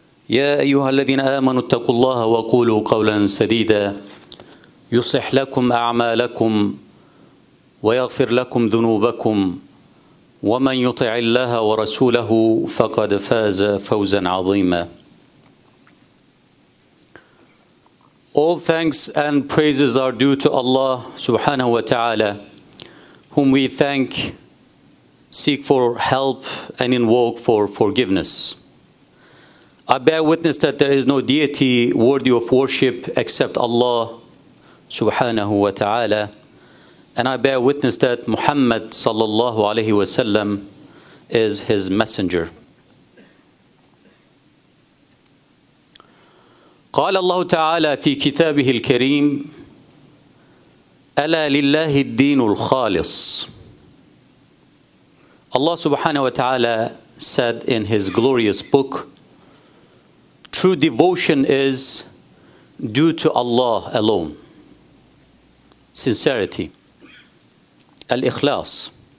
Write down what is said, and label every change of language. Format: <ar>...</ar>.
<ar>يا أيها الذين آمنوا اتقوا الله وقولوا قولا سديدا يصلح لكم أعمالكم ويغفر لكم ذنوبكم، ومن يطع الله ورسوله فقد فاز فوزا عظيما.</ar> <en>All thanks and praises are due to Allah subhanahu wa ta'ala, whom we thank, seek for help, and invoke for forgiveness. I bear witness that there is no deity worthy of worship except Allah subhanahu wa ta'ala, and I bear witness that Muhammad sallallahu alayhi wa sallam is his messenger.</en> <ar>قال الله تعالى في كتابه الكريم ألا لله الدين الخالص.</ar> <en>Allah subhanahu wa ta'ala said in his glorious book, true devotion is due to Allah alone. Sincerity. Al-ikhlas.</en>